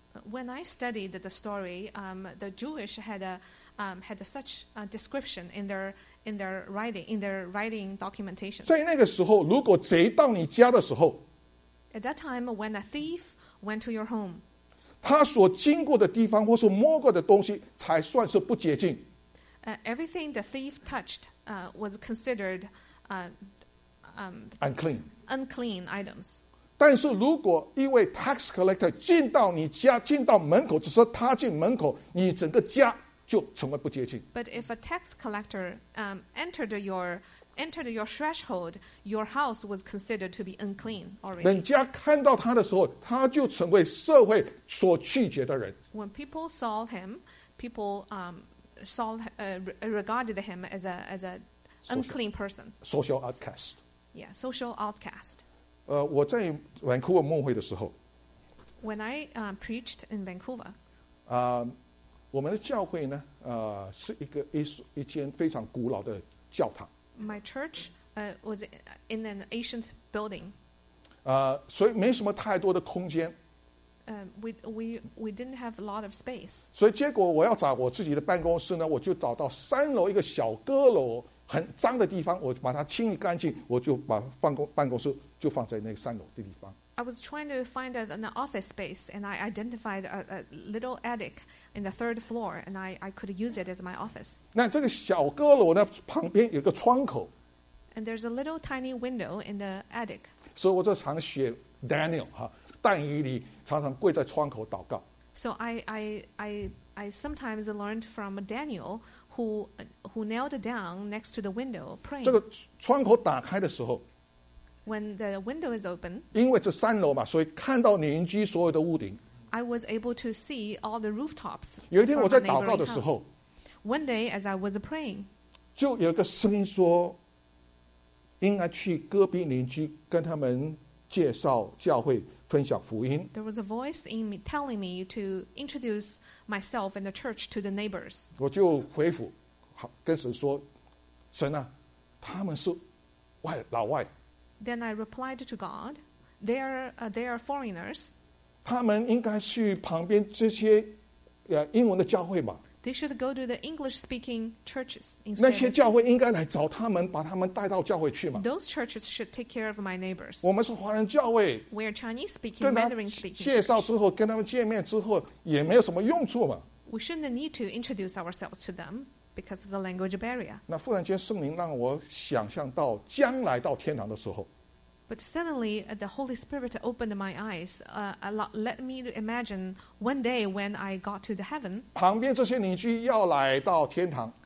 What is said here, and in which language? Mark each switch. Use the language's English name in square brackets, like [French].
[English] When I studied the story, the Jewish had such a description in their writing documentation. [Chinese] 在那个时候，如果贼到你家的时候 [English] ，At that time, when a thief went to your home, [Chinese] 他所经过的地方或是摸过的东西才算是不洁净。 [English] Everything the thief touched, was considered, unclean. Unclean items. [Chinese] 但是如果一位 [English] tax collector [Chinese] 进到你家，进到门口，只是他进门口，你整个家就成为不洁净。 [English] But if a tax collector entered your threshold, your house was considered to be unclean already. [Chinese] 人家看到他的时候，他就成为社会所拒绝的人。 [English] When people saw him, people regarded him as a unclean person. Social outcast. Yeah, social outcast. [Chinese] 我在 Vancouver 牧会的时候 [English] ，When I preached in Vancouver， [Chinese] 我们的教会呢，是一间非常古老的教堂。 [English] My church was in an ancient building。 [Chinese] 所以没什么太多的空间。 [English] We didn't have a lot of space。 [Chinese] 所以结果我要找我自己的办公室呢，我就找到三楼一个小阁楼，很脏的地方，我把它清理干净，我就把办公室就放在那个三楼的地方。 [English] I was trying to find an office space, and I identified a little attic in the third floor, and I could use it as my office. [Chinese] 那这个小阁楼呢，旁边有个窗口。 [English] And there's a little tiny window in the attic. [Chinese] 所以我就常学 Daniel 哈，但以理常常跪在窗口祷告。 [English] So I sometimes learned from Daniel who knelt down next to the window praying. [Chinese] 这个窗口打开的时候。 [English] When the window is open, [Chinese] 因为这三楼嘛，所以看到邻居所有的屋顶。 [English] I was able to see all the rooftops. [Chinese] 有一天我在祷告的时候 [English] ，One day as I was praying, [Chinese] 就有一个声音说，应该去隔壁邻居跟他们介绍教会，分享福音。 [English] There was a voice in me telling me to introduce myself and the church to the neighbors. [Chinese] 我就回复，跟神说，神啊，他们是外老外。 [English] Then I replied to God, they are foreigners. [Chinese] 他们应该去旁边这些英文的教会吧。 [English] They should go to the English-speaking churches instead. [Chinese] 那些教会应该来找他们，把他们带到教会去嘛。 [English] Those churches should take care of my neighbors. [Chinese] 我们是华人教会。 [English] We are Chinese-speaking, Mandarin-speaking church. [Chinese] 介绍之后，跟他们见面之后，也没有什么用处嘛。 [English] We shouldn't need to introduce ourselves to them because of the language barrier. [Chinese] 那忽然间，圣灵让我想象到将来到天堂的时候。 [English] But suddenly, the Holy Spirit opened my eyes, let me imagine one day when I got to the heaven. [Chinese] 旁边这些邻居要来到天堂。